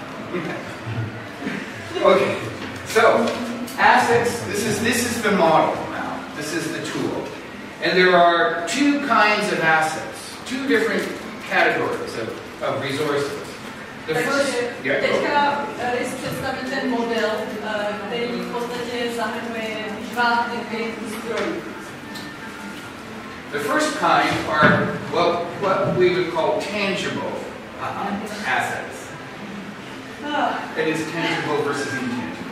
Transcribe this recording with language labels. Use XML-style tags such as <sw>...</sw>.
<en>Okay, so assets, this is the model now, this is the tool. And there are two kinds of assets, two different categories of resources. The first,</en> <cs>teďka Rys představí ten model, který v podstatě zahrnuje dva typy zdrojů.</cs> <en>The first kind are what we would call tangible assets. It is tangible versus intangible.</en>